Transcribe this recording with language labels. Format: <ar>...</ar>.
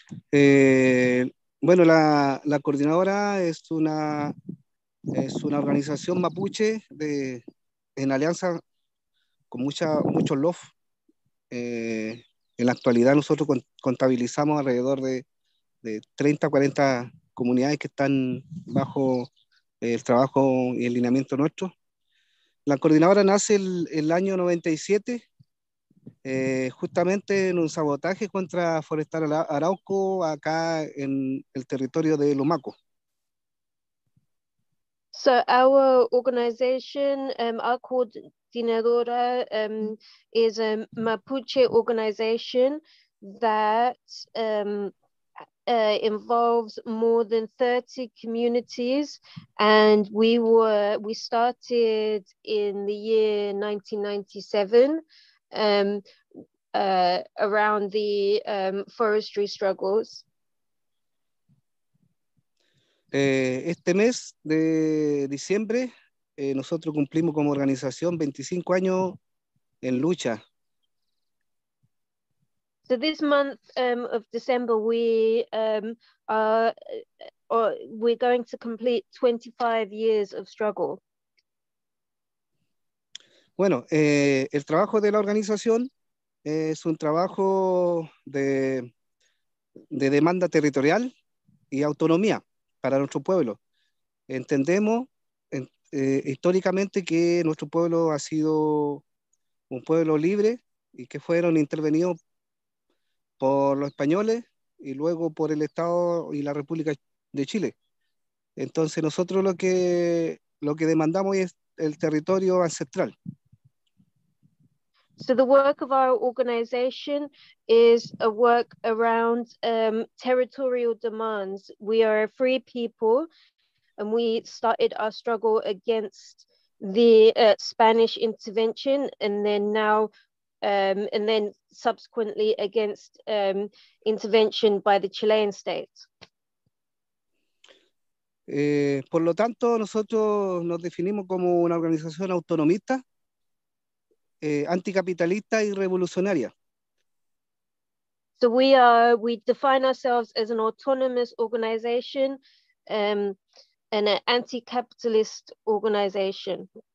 <es>Bueno, la coordinadora es una organización mapuche en alianza con muchos LOF En la actualidad nosotros contabilizamos alrededor de 30 o 40 comunidades que están bajo el trabajo y el lineamiento nuestro. La coordinadora nace el año 97, justamente en un sabotaje contra Forestal Arauco, acá en el territorio de Lumaco.</es> <en>So our organization, our coordinadora, is a Mapuche organization that involves more than 30 communities, and we started in the year 1997, around the forestry struggles.</en> <es>Este mes de diciembre, nosotros cumplimos como organización 25 años en lucha.</es> <en>So this month of December, we're going to complete 25 years of struggle.</en> <es>Bueno, el trabajo de la organización es un trabajo de demanda territorial y autonomía para nuestro pueblo. Entendemos históricamente que nuestro pueblo ha sido un pueblo libre y que fueron intervenidos por los españoles y luego por el Estado y la República de Chile. Entonces nosotros lo que demandamos es el territorio ancestral.</es> <en>So the work of our organization is a work around territorial demands. We are a free people and we started our struggle against the Spanish intervention and then now and then subsequently against intervention by the Chilean state.</en> <es>Por lo tanto, nosotros nos definimos como una organización autonomista, anticapitalista y revolucionaria.</es> <en>So we define ourselves as an autonomous organization, and an anti-capitalist organization.</en>